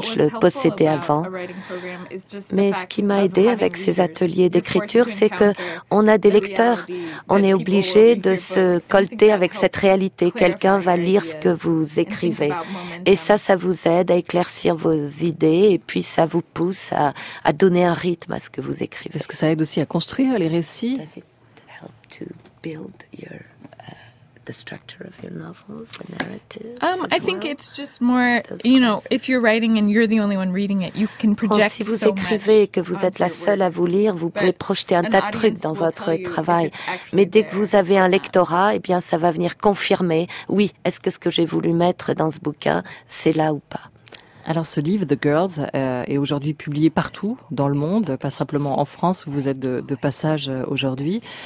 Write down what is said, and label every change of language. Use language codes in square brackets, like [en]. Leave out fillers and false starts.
[fr] Je le possédais avant. Mais ce qui m'a aidé avec ces ateliers d'écriture, c'est qu'on a des lecteurs. On est obligé de se colter avec cette réalité. Quelqu'un va lire ce que vous écrivez. Et ça, ça vous aide à éclaircir vos idées et puis ça vous pousse à donner un rythme à ce que vous écrivez. Est-ce que ça aide aussi à construire les récits? [en] Does it help to build your the structure of your novels and narratives? I think it's just more, you know, if you're writing and you're the only one reading it, you can project. [fr] Si vous écrivez et que vous êtes la seule à vous lire, vous pouvez projeter un tas de trucs dans votre travail. Mais dès que vous avez un lectorat, eh bien, ça va venir confirmer. Oui, est-ce que ce que j'ai voulu mettre dans ce bouquin, c'est là ou pas? Alors ce livre, The Girls, est aujourd'hui publié partout dans le monde, pas simplement en France où vous êtes de passage aujourd'hui.